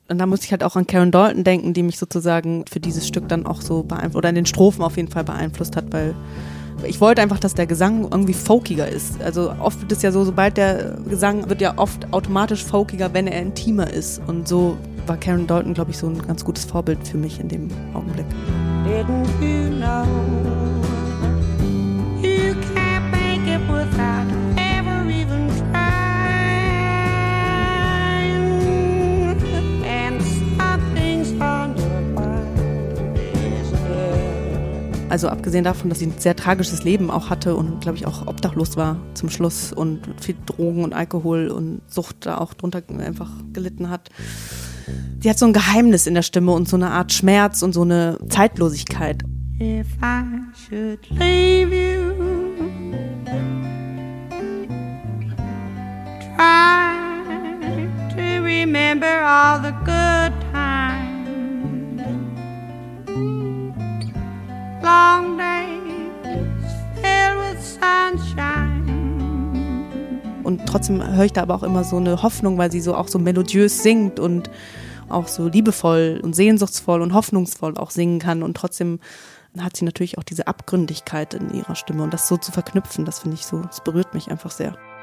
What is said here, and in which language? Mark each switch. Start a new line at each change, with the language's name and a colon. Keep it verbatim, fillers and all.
German: Und da musste ich halt auch an Karen Dalton denken, die mich sozusagen für dieses Stück dann auch so beeinflusst, oder in den Strophen auf jeden Fall beeinflusst hat, weil ich wollte einfach, dass der Gesang irgendwie folkiger ist. Also oft wird es ja so, sobald der Gesang wird ja oft automatisch folkiger, wenn er intimer ist. Und so war Karen Dalton, glaube ich, so ein ganz gutes Vorbild für mich in dem Augenblick.
English: Didn't you know you can't make it without ever even trying, and something's on your mind.
German: Also abgesehen davon, dass ich ein sehr tragisches Leben auch hatte und, glaube ich, auch obdachlos war zum Schluss und viel Drogen und Alkohol und Sucht da auch drunter einfach gelitten hat. Die hat so ein Geheimnis in der Stimme und so eine Art Schmerz und so eine Zeitlosigkeit.
English: If I should leave you, try to remember all the good times. Long days filled with sunshine.
German: Und trotzdem höre ich da aber auch immer so eine Hoffnung, weil sie so auch so melodiös singt und auch so liebevoll und sehnsuchtsvoll und hoffnungsvoll auch singen kann. Und trotzdem hat sie natürlich auch diese Abgründigkeit in ihrer Stimme. Und das so zu verknüpfen, das finde ich so, das berührt mich einfach sehr.